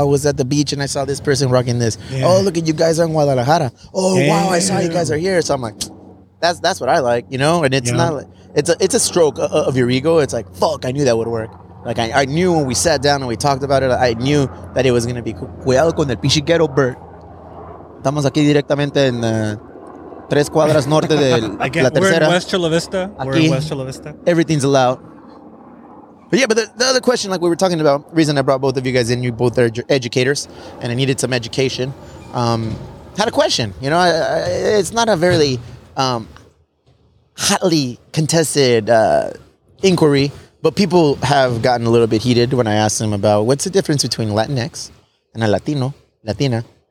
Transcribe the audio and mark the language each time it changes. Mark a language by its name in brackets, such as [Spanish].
[English] I was at the beach and I saw this person rocking this. Yeah. Oh, look at you guys are in Guadalajara. Oh, damn. Wow, I saw you guys are here. So I'm like, that's what I like, you know? And it's not like, it's a stroke of your ego. It's like, fuck, I knew that would work. Like, I knew when we sat down and we talked about it, I knew that it was going to be cool. [Spanish] Cuidado con el pichiquero, Bert. Estamos aquí directamente en tres cuadras norte de la tercera. [English] We're in West Chula Vista. Aquí, we're in West Chula Vista. Everything's allowed. But yeah, but the other question, like we were talking about, reason I brought both of you guys in, you both are educators, and I needed some education. Had a question, you know, it's not a very hotly contested inquiry, but people have gotten a little bit heated when I asked them about what's the difference between Latinx and a Latino, Latina.